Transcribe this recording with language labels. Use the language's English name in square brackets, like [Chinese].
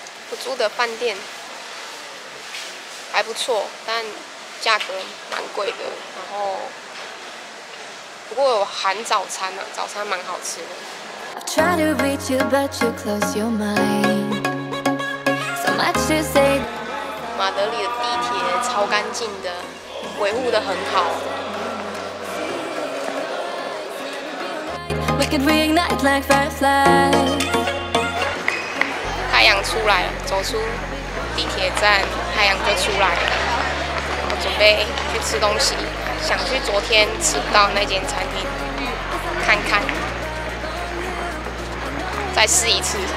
[Chinese] 我住的饭店还不错，但价格蛮贵的，然后。不过有含早餐呢、啊，早餐蛮好吃的。 [English] I try to reach you, but you close your mind. So much to say. [Chinese] 马德里的地铁超干净的，维护得很好。 [English] We can reignite like fireflies. [Chinese] 太阳出来了，走出地铁站，太阳就出来了。我准备去吃东西。想去昨天吃不到那间餐厅看看，再试一次。